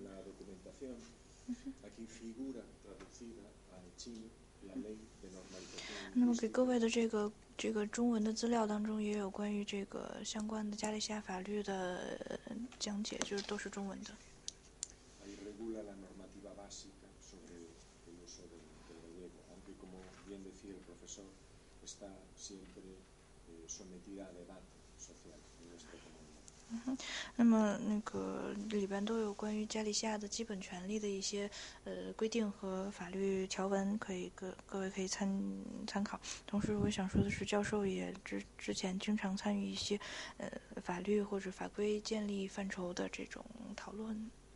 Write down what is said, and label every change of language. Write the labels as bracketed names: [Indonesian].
[Spanish] La documentación aquí figura traducida al chino la ley de normalización. [Chinese] 那么给各位的这个中文的资料当中也有关于这个相关的加利西亚法律的讲解，就是都是中文的。 [Spanish] Ahí regula la normativa básica sobre el uso del gallego, aunque como bien decía el profesor, está siempre sometida a debate social en este momento. [Chinese] 那么那个里边都有关于加利西亚的基本权利的一些规定和法律条文，可以各位可以参考。同时我想说的是，教授也之前经常参与一些法律或者法规建立范畴的这种讨论。